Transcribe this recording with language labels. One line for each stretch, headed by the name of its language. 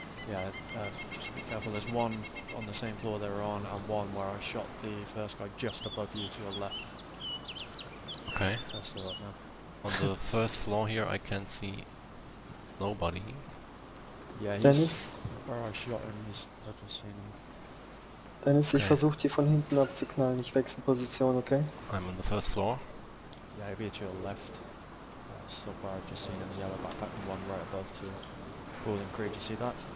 English: Yeah, just be careful. There's one on the same floor they were on, and one where I shot the first guy just above you to your left. Okay. They're still up now. On the first floor here, I can see nobody. Yeah, he's... Dennis? Where I shot him, he's... I just seen him.
German: Dennis, okay. Ich versuch dir von hinten abzuknallen. Ich wechsle Position, okay?
English: I'm on the first floor. Yeah, he'll be to your left. So far I've just seen him, the yellow backpack and one right above to crawling creep, do you see that?